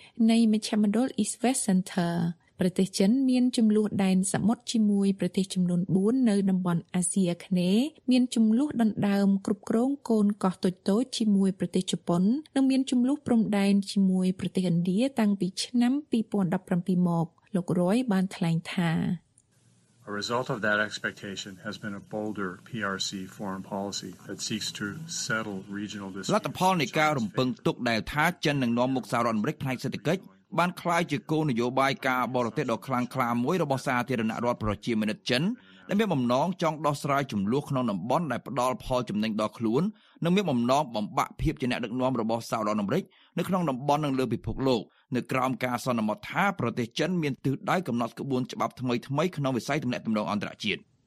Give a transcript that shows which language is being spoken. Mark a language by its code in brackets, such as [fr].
[km] នៃមជ្ឈមណ្ឌល East West Center ប្រទេសចិនមានចំនួនដែនសមុទ្រជាមួយប្រទេសចំនួន4នៅតំបន់អាស៊ីអាគ្នេយ៍មានចំនួនដណ្ដើមគ្រប់គ្រងកូនកោះតូចៗជាមួយប្រទេសជប៉ុននិងមានចំនួនព្រំដែនជាមួយប្រទេសឥណ្ឌាតាំងពីឆ្នាំ2017មកលោករយបានថ្លែងថា [en] A result of that expectation has been a bolder PRC foreign policy that seeks to settle regional disputes. [km] លទ្ធផលនៃការរំពឹងទុកដែលថាចិននឹងនាំមុខសហរដ្ឋអាមេរិកផ្នែកសេដ្ឋកិច្ចបានក្លាយជាគោលនយោបាយការបរទេសដ៏ខ្លាំងក្លាមួយរបស់សាធារណរដ្ឋប្រជាមានិតចិនដែលមានបំណងចង់ដោះស្រាយចំនួនក្នុងតំបន់ដែលផ្ដល់ផលចំណេញដល់ខ្លួននិងមានបំណងបំបាក់ភាពជាអ្នកដឹកនាំរបស់សហរដ្ឋអាមេរិកនៅក្នុងតំបន់និងលើពិភពលោកនៅក្រោមការសន្មតថាប្រទេសចិនមានទិសដៅកំណត់ក្បួនច្បាប់ថ្មីៗក្នុងវិស័យទំនាក់ទំនងអន្តរជាតិ